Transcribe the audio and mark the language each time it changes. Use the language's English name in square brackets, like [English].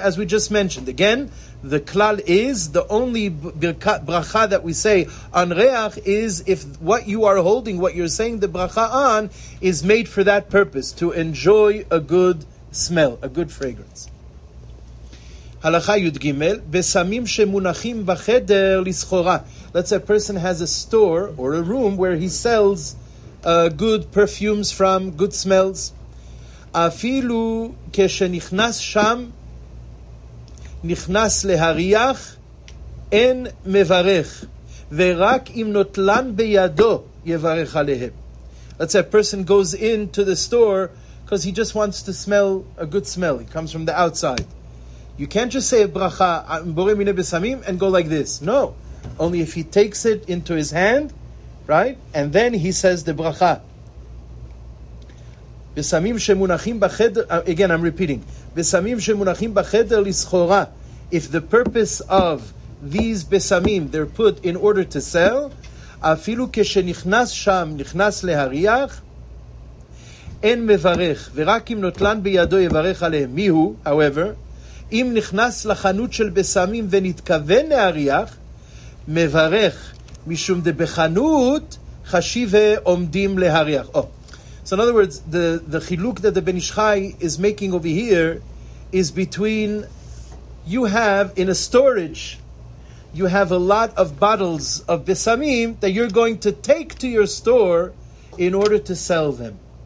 [English] As we just mentioned, again, the klal is, the only bracha that we say on reach is if what you are holding, what you're saying the bracha on, is made for that purpose, to enjoy a good smell, a good fragrance. [Hebrew] Halacha yud gimel, besamim shemunachim bacheder lischora. [English] Let's say a person has a store or a room where he sells good perfumes from, good smells. [Hebrew] Afilu keshenichnas sham, נכנס להריח, אין מברך, ורק אם נוטלן בידו, יברך עליהם. [English] Let's say a person goes into the store because he just wants to smell a good smell. He comes from the outside. You can't just say a bracha, [Hebrew] בורא מיני בסמים, [English] and go like this. No. Only if he takes it into his hand, right? And then he says the bracha. [Hebrew] בסמים שמונחים בחדר, [English] again, I'm repeating. [Hebrew] Besamim shemunachim bacheder lischora. [English] If the purpose of these besamim, they're put in order to sell, [Hebrew] afilu keshenichnas sham, nichnas lehariach, אין מברך, ורק אם נוטלן בידו יברך עליהם. מיהו, [English] however, [Hebrew] אם נכנס לחנות של בסמים ונתכוון להריח, מברך, משום דבחנות חשיב עומדים להריח. [English] So in other words, the chiluk that the Ben Ish Chai is making over here is between you have in a storage, you have a lot of bottles of besamim that you're going to take to your store in order to sell them.